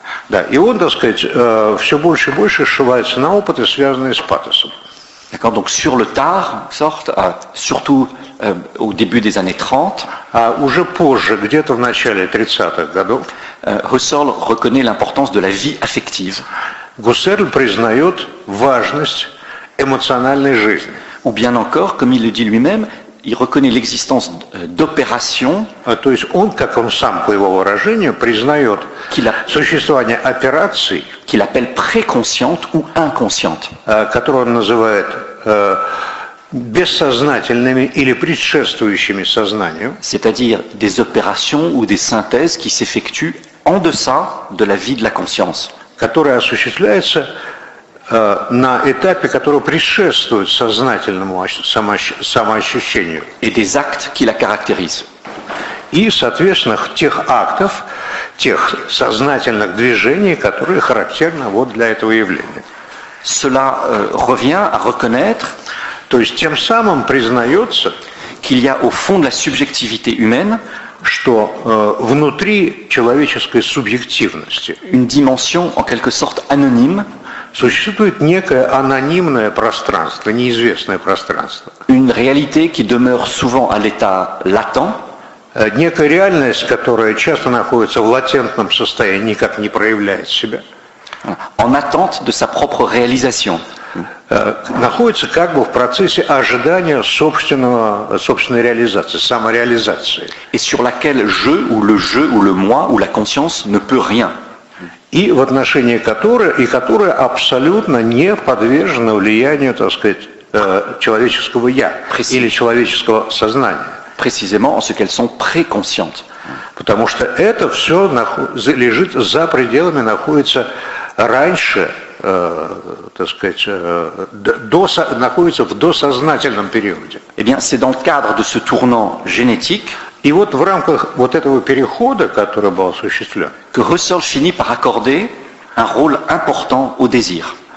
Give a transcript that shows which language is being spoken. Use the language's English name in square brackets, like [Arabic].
[Russian] Да, и он, так сказать, все больше и больше сшивается на опыты, связанные с патосом. [French] D'accord, donc sur le tard, en sorte, surtout au début des années 30. [Russian] Уже позже, где-то в начале 30-х годов. [French] Husserl reconnaît l'importance de la vie affective. [Russian] Husserl признает важность эмоциональной жизни. [French] Ou bien encore, comme il le dit lui-même, il reconnaît l'existence d'opérations. [Russian] То есть он, как он сам, по его выражению, признает существование операций, [French] qu'il appelle préconscientes ou inconscientes, [Russian] которые он называет бессознательными или предшествующими сознанию. [French] C'est-à-dire des opérations ou des synthèses qui s'effectuent en deçà de la vie de la conscience. [Russian] Которые осуществляются на этапе, который предшествует сознательному самоощущению. [French] Et des actes qui la caractérisent. [Russian] И, соответственно, тех актов, тех сознательных движений, которые характерны вот для этого явления. [French] Cela revient à reconnaître, [Russian] то есть тем самым признается, [French] qu'il y a au fond de la subjectivité humaine, [Russian] что внутри человеческой субъективности [French] une dimension en quelque sorte anonyme, [Russian] существует некое анонимное пространство, неизвестное пространство. [French] Une réalité qui demeure souvent à l'état latent. [Russian] Некая реальность, которая часто находится в латентном состоянии, никак не проявляет себя. [French] En attente de sa propre réalisation. [Russian] Находится как бы в процессе ожидания собственной реализации, самореализации. [French] Et sur laquelle je ou le moi ou la conscience ne peut rien. [Russian] И в отношении которой, и которая абсолютно не подвержена влиянию, так сказать, человеческого «я» или человеческого сознания. [French] Précisément en ce qu'elles sont préconscientes. [Russian] Потому что это все лежит за пределами, находится раньше, находится в досознательном периоде. [French] Eh bien, c'est dans le cadre de ce tournant génétique. [Russian] И вот в рамках вот этого перехода, который был осуществлен, [French] que Husserl finit par accorder un rôle important au désir.